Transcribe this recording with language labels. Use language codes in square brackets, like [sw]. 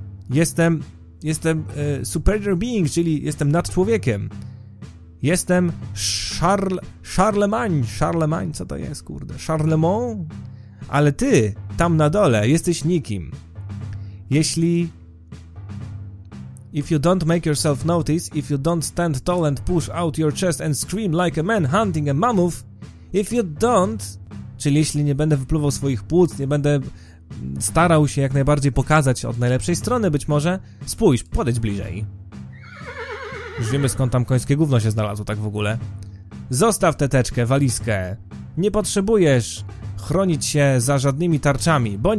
[pl] Jestem [en] superior being, [pl] czyli jestem nad człowiekiem. Jestem Charlemagne, co to jest, kurde? Charlemagne? Ale ty, tam na dole, jesteś nikim. [en] If you don't make yourself notice, if you don't stand tall and push out your chest and scream like a man hunting a mammoth, if you don't... [pl] Czyli jeśli nie będę wypluwał swoich płuc, nie będę starał się jak najbardziej pokazać od najlepszej strony być może... Spójrz, podejdź bliżej. Już wiemy, skąd tam końskie gówno się znalazło tak w ogóle. Zostaw tę teczkę, walizkę. Nie potrzebujesz chronić się za żadnymi tarczami.